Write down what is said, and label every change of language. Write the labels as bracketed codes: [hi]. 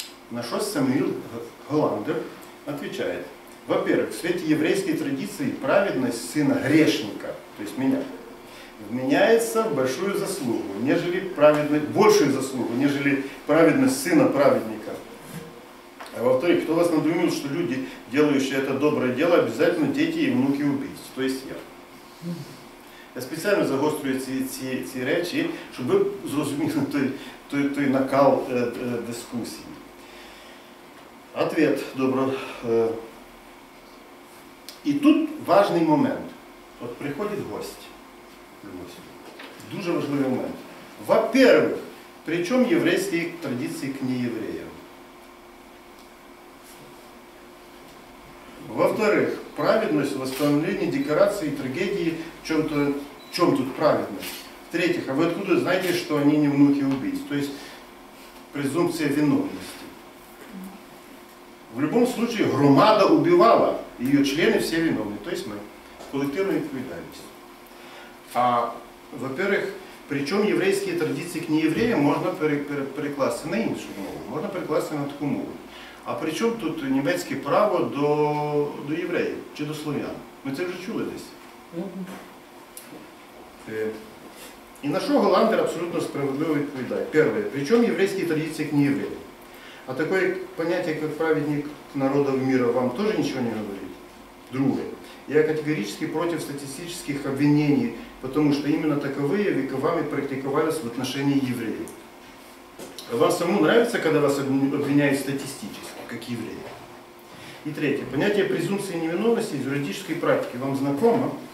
[ru] На что Самуил Голландер отвечает. Во-первых, в свете еврейской традиции праведность сына грешника, то есть меня, вменяется в большую заслугу, нежели праведность, большую заслугу, нежели праведность сына праведника. А во-вторых, кто вас надумил, что люди, делающие это доброе дело, обязательно дети и внуки убийц, то есть я. [uk] Я специально загострюю ці речі, щоб ви зрозуміли той накал дискусії. [ru] Ответ, добро. [uk] І тут важний момент. От приходить гость. Дуже важливий момент. [ru] Во-первых, [uk] при чому єврейські традиції к неєвреям? [ru] Во-вторых, праведность в восстановлении декорации и трагедии, в чем-то, в чем тут праведность? В-третьих, а вы откуда знаете, что они не внуки убийц? То есть презумпция виновности. В любом случае, громада убивала, ее члены все виновны, то есть мы коллективно отвечаемся. А во-первых, при чем еврейские традиции к неевреям можно перекласти на иншу мову, можно перекласти на такую мову. [uk] А при чому тут німецьке право до євреїв чи до слов'ян? Ми це вже чули десь. І на що Голландер абсолютно справедливо відповідає? Перше. При чому єврейські традиції к неєвреям? А таке поняття, як праведник народів світу, вам теж нічого не говорить? Друге. Я категорично проти статистичних обвинений, тому що іменно такові віковами практикувалися в отношенні євреїв. [ru] Вам самому нравится, когда вас обвиняют статистически, как евреи? И третье. Понятие презумпции невиновности из юридической практики вам знакомо?